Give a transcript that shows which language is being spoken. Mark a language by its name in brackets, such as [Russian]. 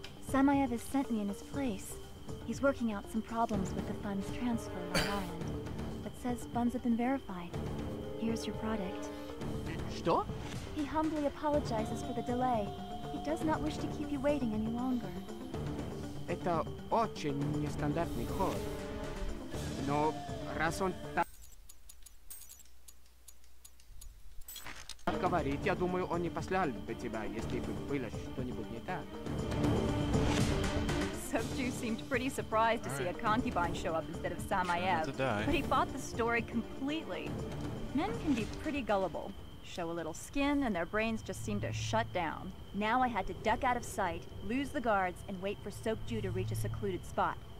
[English] Samayev has sent me in his place. He's working out some problems with the funds transfer on our end, but says funds have been verified. Here's your product. [Russian] Что? [English] He humbly apologizes for the delay. He does not wish to keep you waiting any longer. [Russian] Это очень нестандартный ход. Но раз он так говорить, я думаю, он не послал бы тебя, если бы было что-нибудь не так. [English] Soak Ju seemed pretty surprised to see a concubine show up instead of Samayev, but he bought the story completely. Men can be pretty gullible. Show a little skin and their brains just seem to shut down. Now I had to duck out of sight, lose the guards, and wait for Soak Ju to reach a secluded spot.